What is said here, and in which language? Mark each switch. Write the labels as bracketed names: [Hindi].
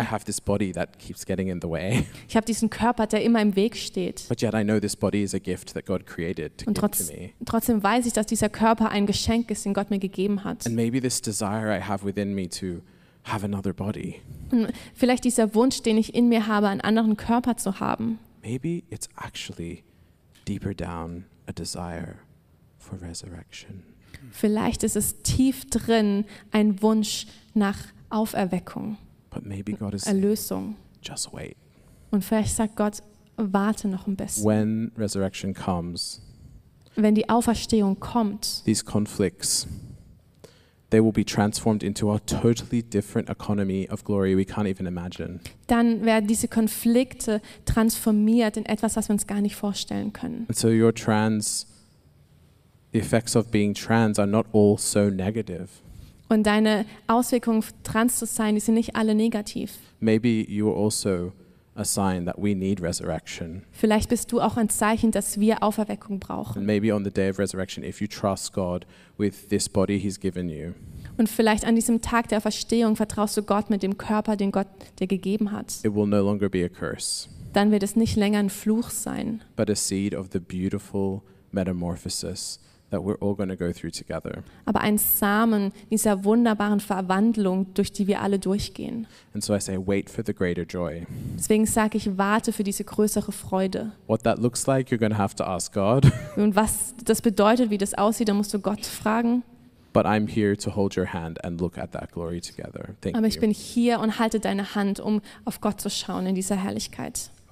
[English] I have this body that keeps getting in the way. [German] Ich habe diesen Körper, der immer im Weg steht. [English] But yet I know this body is a gift that God created to give to me. [German] Trotzdem weiß ich, dass dieser Körper ein Geschenk ist, den Gott mir gegeben hat. [English] And maybe this desire I have within me to have another body. [German] Vielleicht dieser Wunsch, den ich in mir habe, einen anderen Körper zu haben. [English] Maybe it's actually deeper down a desire for resurrection. [German] Vielleicht ist es tief drin ein Wunsch nach Auferweckung, [English] but maybe God is [German] Erlösung. [English] Saying, just wait. [German] Und vielleicht sagt Gott, warte noch ein bisschen. [English] When resurrection comes, [German] wenn die Auferstehung kommt, [English] these conflicts, they will be transformed into a totally different economy of glory we can't even imagine. [German] Dann werden diese Konflikte transformiert in etwas, was wir uns gar nicht vorstellen können. [English] And so your trans the effects of being trans are not all so negative. [German] Und deine Auswirkungen, trans zu sein, die sind nicht alle negativ. [English] Maybe you are also a sign that we need resurrection. [German] Vielleicht bist du auch ein Zeichen, dass wir Auferweckung brauchen. [English] And maybe on the day of resurrection, if you trust God with this body he's given you. [German] Und vielleicht an diesem Tag der Auferstehung vertraust du Gott mit dem Körper, den Gott dir gegeben hat. [English] It will no longer be a curse. [German] Dann wird es nicht länger ein Fluch sein. [English] But a seed of the beautiful metamorphosis that we're all going to go through together. [German] Aber ein Samen dieser wunderbaren Verwandlung, durch die wir alle durchgehen. [English] And so I say, wait for the greater joy. [German] Deswegen sage ich, warte für diese größere Freude. [English] What that looks like, you're going to have to ask God. [German] Und was das bedeutet, wie das aussieht, da musst du Gott fragen. [English] But I'm here to hold your hand and look at that glory together. Thank you. [German] Aber ich bin hier und halte deine Hand, um auf Gott zu schauen in dieser Herrlichkeit.